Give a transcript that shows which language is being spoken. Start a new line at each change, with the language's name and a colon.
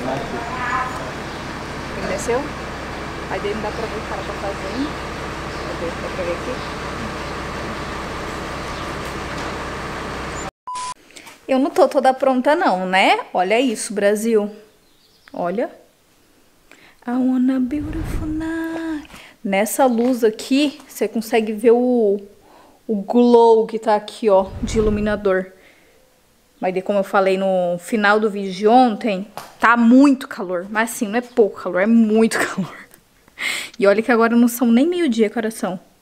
Portuguese: carro. mais aqui. Ele desceu? Aí daí não dá pra ver o cara tá fazendo. Cadê? Dá pra ver aqui? Eu não tô toda pronta não, né? Olha isso, Brasil. Olha.
English: I wanna be beautiful now.
Portuguese: Nessa luz aqui, você consegue ver o glow que tá aqui, ó, de iluminador. Mas de como eu falei no final do vídeo de ontem, tá muito calor. Mas assim, não é pouco calor, é muito calor. E olha que agora não são nem meio-dia, coração.